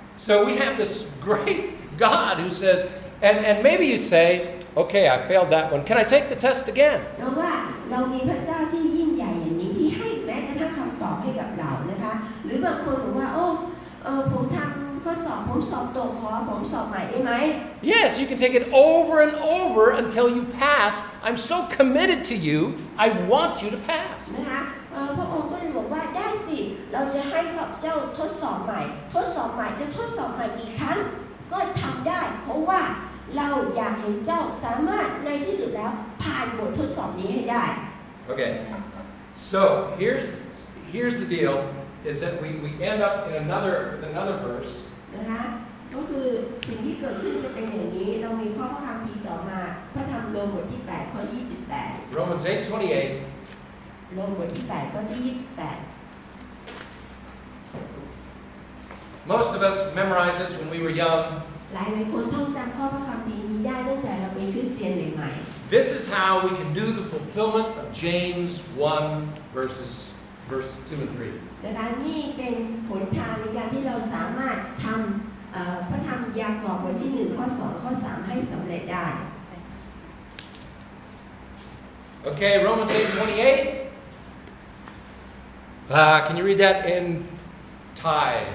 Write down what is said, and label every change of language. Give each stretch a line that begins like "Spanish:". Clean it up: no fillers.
English: So we have this great God who says, and maybe you say, Okay, I failed that one. Can I take the test again?
Thai: เรามีพระเจ้าที่ยิ่งใหญ่อย่างนี้ที่ให้แม้กระทั่งคำตอบให้กับเรานะคะหรือบางคนบอกว่าโอ้ผมทำข้อสอบผมสอบตกขอผมสอบใหม่ได้ไหม
English: Yes you can take it over and over until you pass I'm so committed to you I want you to pass
Thai: นะคะพระองค์ก็เลยบอกว่าได้สิเราจะให้ข้าพเจ้าทดสอบใหม่ทดสอบใหม่จะทดสอบใหม่กี่ครั้งก็ทำได้เพราะว่าเราอยากเห็นเจ้าสามารถในที่สุดแล้วผ่านบททดสอบนี้ให้ได้
English: Okay so here's the dealis that we end up in another with another verse
Thai: นะคะก็คือสิ่งที่เกิดขึ้นจะเป็นอย่างนี้เรามีข้อพระคัมภีร์ต่อมาพระธรรมโรมบทที่8ข้อ28
English: Romans 8:28
Thai: โรมบทที่8ข้อที่28
English: Most of us memorize this when we were young
Thai: หลายคนท่องจำข้อพระคัมภีร์นี้ได้ตั้งแต่เราเป็นคริสเตียนใหม่
English: ๆ This is how we can do the fulfillment of James 1 verse 2 and 3.
Thai: แต่การนี้เป็นผลทางในการที่เราสามารถทำพระธรรมยากรบทที่1ข้อ2ข้อ3ให้สำเร็จได้
English: Okay, Romans 8:28. Can you read that in Thai?